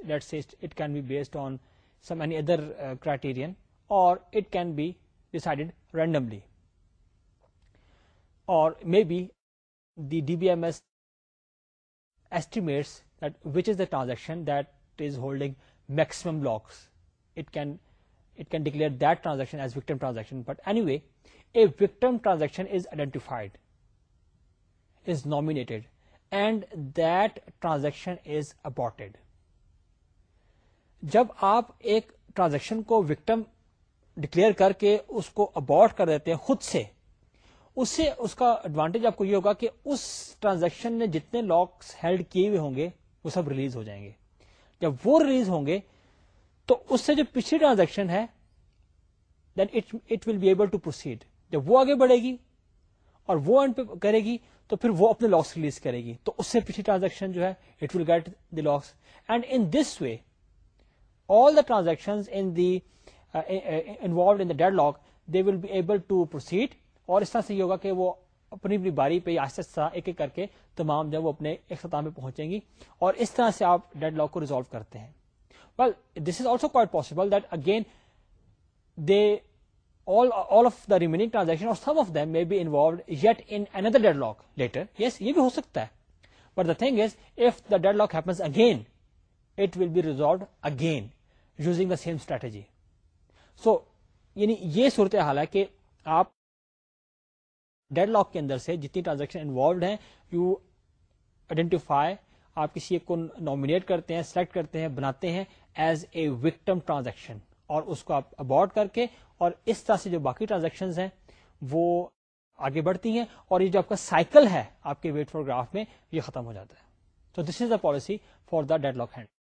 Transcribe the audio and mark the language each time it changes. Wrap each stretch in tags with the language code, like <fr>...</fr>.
<en>Let's say it can be based on some any other criterion, or it can be decided randomly, or maybe the DBMS estimates that which is the transaction that is holding maximum locks. It can declare that transaction as victim transaction. But anyway, a victim transaction is identified, is nominated, and that transaction is aborted.</en> <ur>Jab aap ek transaction ko victim declare karke usko abort kar dete hain khud se, اس سے اس کا advantage آپ کو یہ ہوگا کہ اس transaction نے جتنے locks held کیے ہوئے ہوں گے وہ سب ریلیز ہو جائیں گے. جب وہ ریلیز ہوں گے تو اس سے جو پچھلی ٹرانزیکشن ہے</ur> <en>Then it will be able to proceed.</en> <ur>جب وہ آگے بڑھے گی اور وہ اینڈ پہ کرے گی تو پھر وہ اپنے لاکس ریلیز کرے گی, تو اس سے پچھلی ٹرانزیکشن جو ہے</ur> <en>It will get the locks. And in this way all the transaction in the involved in the dead lock they will be able to proceed.</en> <ur>اور اس طرح سے یہ ہوگا کہ وہ اپنی اپنی باری پہ آہستہ آہستہ ایک ایک کر کے تمام جب وہ اپنے اختتام پہ پہنچیں گی, اور اس طرح سے آپ ڈیڈ لاک کو ریزالو کرتے ہیں.</ur> <en>Well this is also quite possible that again they all of the remaining transaction or some of them may be involved yet in another dead lock later. Yes</en> <ur>یہ بھی ہو سکتا ہے,</ur> <en>But the thing is if the dead lock happens again it will be resolved again using the same strategy.</en> <ur>سو یعنی یہ صورت حال ہے کہ آپ ڈیڈ لاک کے اندر سے جتنی ٹرانزیکشن انوالوڈ ہیں</ur> <en>you identify,</en> <ur>آپ کسی ایک کو نامنیٹ کرتے ہیں, سلیکٹ کرتے ہیں, بناتے ہیں</ur> <en>as a victim transaction,</en> <ur>اور اس کو آپ ابارٹ کر کے اور اس طرح سے جو باقی ٹرانزیکشن ہیں وہ آگے بڑھتی ہیں اور یہ جو آپ کا سائیکل ہے آپ کے ویٹ فور گراف میں یہ ختم ہو جاتا ہے.</ur> <en>تو this is the policy for the dead lock hand.</en>